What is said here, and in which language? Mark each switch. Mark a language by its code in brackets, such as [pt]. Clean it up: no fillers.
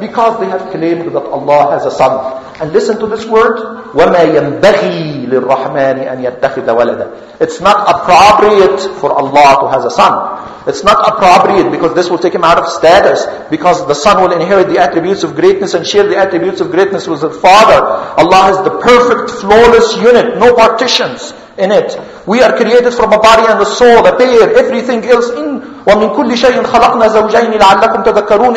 [en] Because they have claimed that Allah has a son. And listen to this word, [ar] وَمَا يَنْبَغِي لِلرَّحْمَنِ أَنْ يَتَّخِذَ وَلَدًا. [en] It's not appropriate for Allah to have a son. It's not appropriate because this will take him out of status, because the son will inherit the attributes of greatness and share the attributes of greatness with his father. Allah is the perfect, flawless unit, no partitions in it. We are created from a body and a soul, a pair, everything else in [ar] وَمِنْ كُلِّ شَيْءٍ خَلَقْنَا زَوْجَيْنِ لَعَلَّكُمْ تَذَكَّرُونَ.